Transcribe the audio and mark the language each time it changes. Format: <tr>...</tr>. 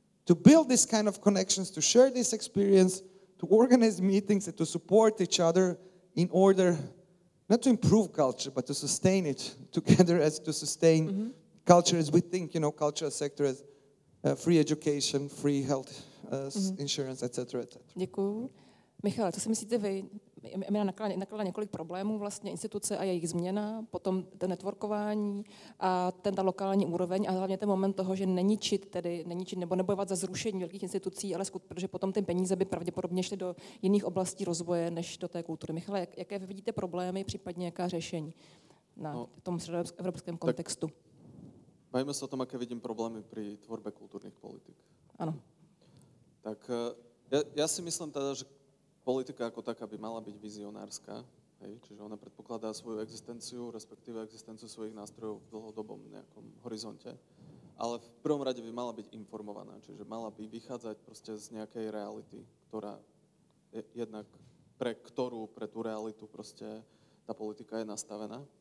<en>to build this kind of connections, to share this experience, to organize meetings and to support each other in order not to improve culture, but to sustain it together, as to sustain mm-hmm. culture as we think, you know, cultural sector as free education, free health mm-hmm. insurance, etc.</en> <cs>Děkuju. Michal, co si myslíte vy? Emina nakladla několik problémů, vlastně instituce a jejich změna, potom ten networkování a ten ta lokální úroveň a hlavně ten moment toho, že neničit nebo nebojovat za zrušení velkých institucí, ale protože potom ty peníze by pravděpodobně šly do jiných oblastí rozvoje než do té kultury. Michale, jaké vy vidíte problémy, případně jaká řešení na tom středoevropském kontextu? Bavíme se o tom, jaké vidím problémy při tvorbě kulturních politik. Ano.</cs> <sk>Tak</sk> <cs>já si myslím teda,</cs> <sk>že politika ako taká by mala byť vizionárska, hej? Čiže ona predpokladá svoju existenciu, respektíve existenciu svojich nástrojov v dlhodobom nejakom horizonte, ale v prvom rade by mala byť informovaná, čiže mala by vychádzať proste z nejakej reality, ktorá je jednak pre ktorú, pre tú realitu proste tá politika je nastavená.</sk>